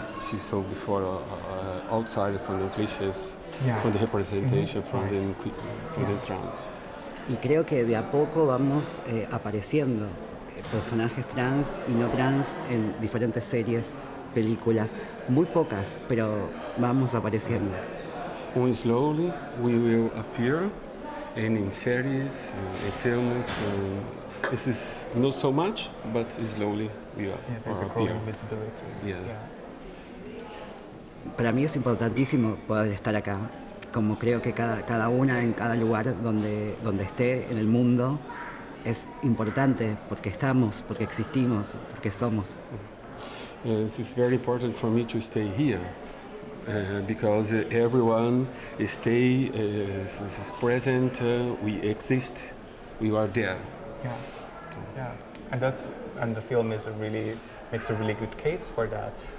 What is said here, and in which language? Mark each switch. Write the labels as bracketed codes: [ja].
[en] She saw before outside from the cliches, from the representation, from the trans. [es] Y creo que de a poco vamos apareciendo personajes trans y no trans en diferentes series, películas, muy pocas, pero vamos apareciendo. [en] Muy slowly we will appear, and in series, in films, this is not so much, but slowly we will appear. Yeah, there's a growing visibility. Yes. [es] Para mí es importantísimo poder estar acá. Como creo que cada una en cada lugar donde esté en el mundo es importante porque estamos, porque existimos, porque somos. [en] This is very important for me to stay here because everyone stay is present, we exist, we are there. Yeah. And that's the film is makes a really good case for that.